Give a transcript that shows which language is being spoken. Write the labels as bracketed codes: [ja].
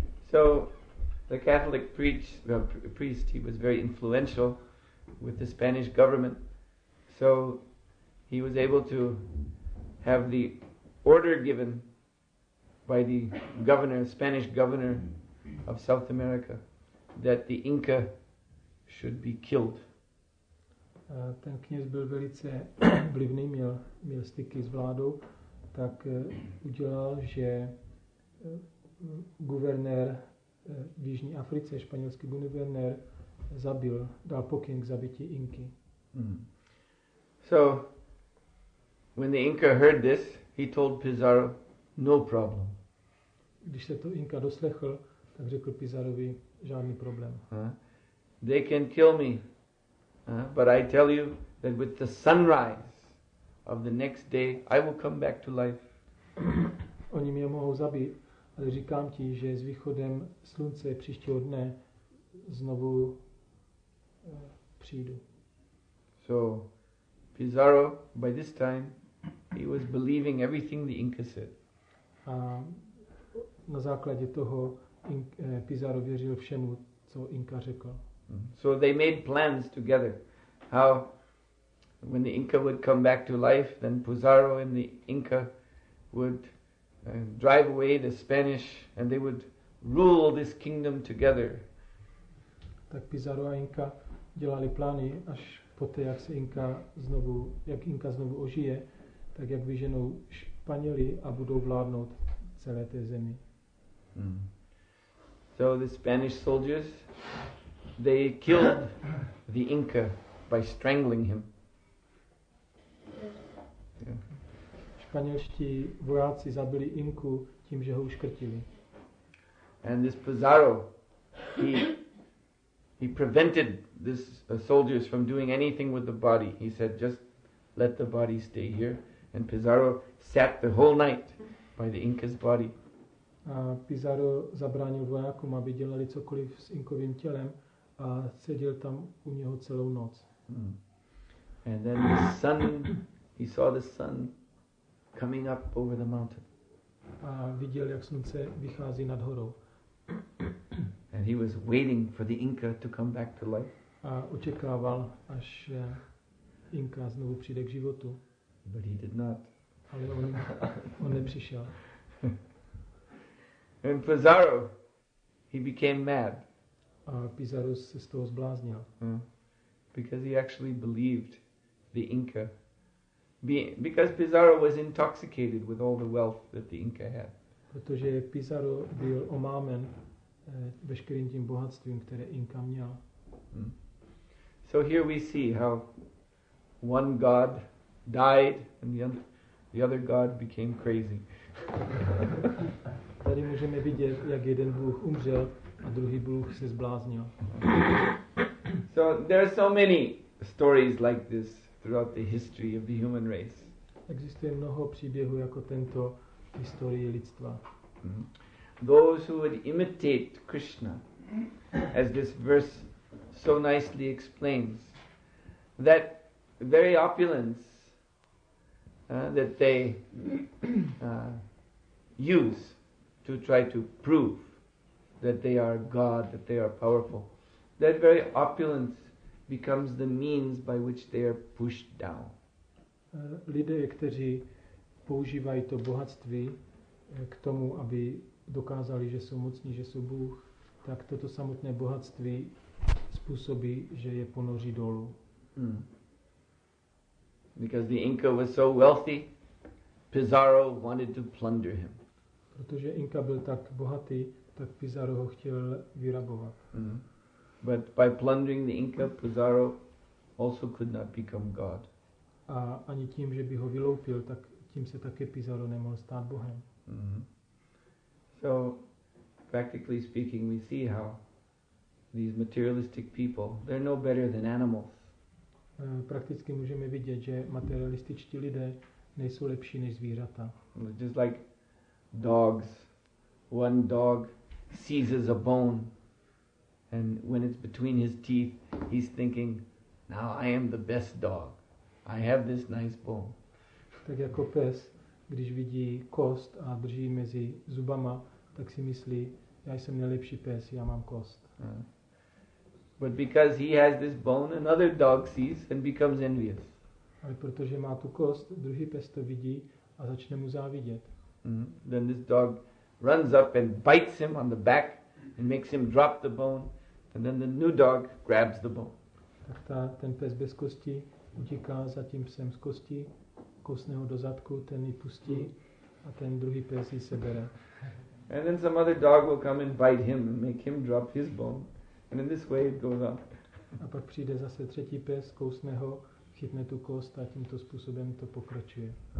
[en] So the Catholic priest, he was very influential with the Spanish government. So he was able to have the order given by the governor, Spanish governor of South America, that the Inca should be killed. [cs] Ten kněz byl velice vlivný, měl styky s vládou, tak udělal, že guvernér v Jižní Africe, španělský guvernér, zabil, dal pokyn k zabití Inky. [en] So, when the Inca heard this, he told Pizarro, no problem. [cs] Když se to Inka doslechl, tak řekl Pizarovi, žádný problém. [en] They can kill me. But I tell you that with the sunrise of the next day, I will come back to life. [cs] Oni mě mohou zabít, ale říkám ti, že s východem slunce příštího dne znovu přijdu. [en] So, Pizarro, by this time, he was believing everything the Inca said. [cs] A na základě toho Pizarro věřil všemu, co Inka řekl. [en] So they made plans together. How when the Inca would come back to life, then Pizarro and the Inca would drive away the Spanish and they would rule this kingdom together. [cs] Tak Pizarro a Inka dělali plány, až poté, jak Inka znovu ožije, tak jak vyženou Španěli a budou vládnout celé té zemi. [en] So the Spanish soldiers, they killed the Inca by strangling him. [cs] Španělští vojáci zabili Inku tím, že ho uškrtili. [en] And this Pizarro, he prevented this soldiers from doing anything with the body. He said, just let the body stay here. And Pizarro sat the whole night by the Inca's body. [cs] A Pizarro zabránil vojákům, aby dělali cokoliv s Inkovým tělem a seděl tam u něho celou noc. [en] And then the sun, he saw the sun coming up over the mountain. [cs] A viděl, jak slunce vychází nad horou. [en] And he was waiting for the Inca to come back to life. [cs] A očekával, až Inka znovu přijde k životu. [en] But he did not. [cs] Ale on nepřišel. [en] And Pizarro, he became mad. [cs] A Pizarro se z toho zbláznil. [en] Because he actually believed the Inca. Because Pizarro was intoxicated with all the wealth that the Inca had. [cs] Protože Pizarro byl omámen veškerým tím bohatstvím, které Inka měl. [en] So here we see how one god died and the other god became crazy. [cs] Tady můžeme vidět, jak jeden bůh umřel a druhý bůh se zbláznil. [en] So there are so many stories like this throughout the history of the human race. [cs] Existuje mnoho příběhů jako tento v historii lidstva. [en] Those who would imitate Krishna, as this verse so nicely explains, that very opulence that they use to try to prove that they are God, that they are powerful, that very opulence becomes the means by which they are pushed down. [cs] Lidé, kteří používají to bohatství k tomu, aby dokázali, že jsou mocní, že jsou Bůh, tak toto samotné bohatství způsobí, že je ponoří dolů. [en] Because the Inca was so wealthy, Pizarro wanted to plunder him. [cs] Protože Inka byl tak bohatý, tak Pizarro ho chtěl vyrabovat. [en] But by plundering the Inca, Pizarro also could not become God. [cs] A ani tím, že by ho vyloupil, tak tím se také Pizarro nemohl stát Bohem. [en] So, practically speaking, we see how these materialistic people, they're no better than animals. [cs] Prakticky můžeme vidět, že materialističtí lidé nejsou lepší než zvířata. [en] Just like dogs. One dog seizes a bone. And when it's between his teeth, he's thinking, now I am the best dog. I have this nice bone. [cs] Tak jako pes, když vidí kost a drží mezi zubama, tak si myslí, já jsem nejlepší pes, já mám kost. [en] But because he has this bone, another dog sees and becomes envious. [cs] Ale protože má tu kost, druhý pes to vidí a začne mu závidět. [en] Then this dog runs up and bites him on the back and makes him drop the bone. And then the new dog grabs the bone. [cs] Tak ta, ten pes bez kosti utíká za tím psem z kosti, kousne ho do zadku, ten ji pustí a ten druhý pes ji sebere. [en] And then some other dog will come and bite him and make him drop his bone. And in this way it goes on. [cs] A pak přijde zase třetí pes, kousne ho, chytne tu kost a tímto způsobem to pokračuje.